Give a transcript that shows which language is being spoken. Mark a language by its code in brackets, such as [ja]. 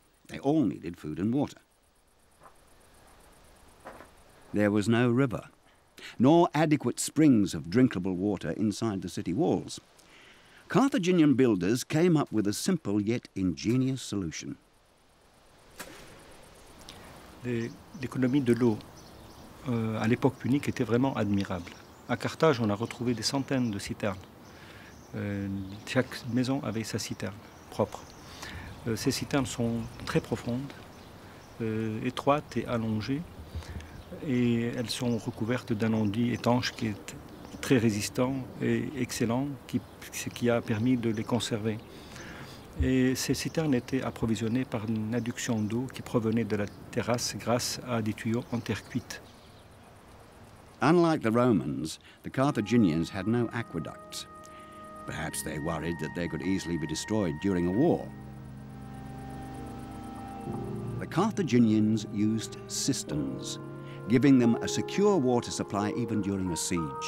[en] They all needed food and water. There was no river, nor adequate springs of drinkable water inside the city walls. Carthaginian builders came up with a simple yet ingenious solution. [fr] L'économie de l'eau à l'époque punique était vraiment admirable. À Carthage, on a retrouvé des centaines de citernes. Chaque maison avait sa citerne propre. Ces citernes sont très profondes, étroites et allongées. Et elles sont recouvertes d'un enduit étanche qui est très résistant et excellent, ce qui a permis de les conserver. Et ces citernes étaient approvisionnées par une adduction d'eau qui provenait de la terrasse grâce à des tuyaux en terre cuite. [en] Unlike the Romans, the Carthaginians had no aqueducts. Perhaps they worried that they could easily be destroyed during a war. The Carthaginians used cisterns, giving them a secure water supply even during a siege.